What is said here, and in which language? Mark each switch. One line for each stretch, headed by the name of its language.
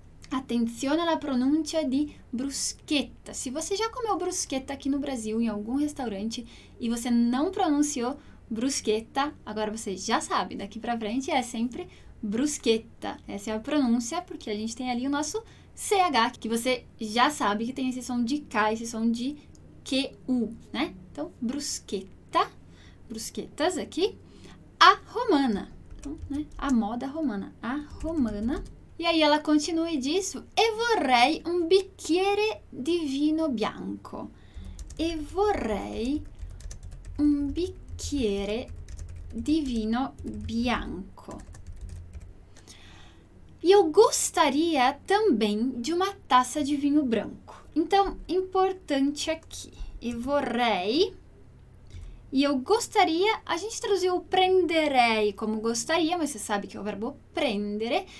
Italian: Attenzione alla pronuncia di bruschetta.
Portuguese: Se você já comeu bruschetta aqui no Brasil, em algum restaurante, e você não pronunciou bruschetta, agora você já sabe, daqui pra frente é sempre bruschetta. Essa é a pronúncia, porque a gente tem ali o nosso CH, que você já sabe que tem esse som de K, esse som de QU, né? Então, bruschetta, bruschettas aqui, a romana, então, né? A moda romana, a romana. E aí ela continua e diz,
Italian: e vorrei un bicchiere di vino bianco. E vorrei un bicchiere di vino bianco.
Portuguese: E eu gostaria também de uma taça de vinho branco. Então, importante aqui.
Italian: E vorrei.
Portuguese: E eu gostaria. A gente traduziu o prenderei como gostaria, mas você sabe que é o verbo prendere.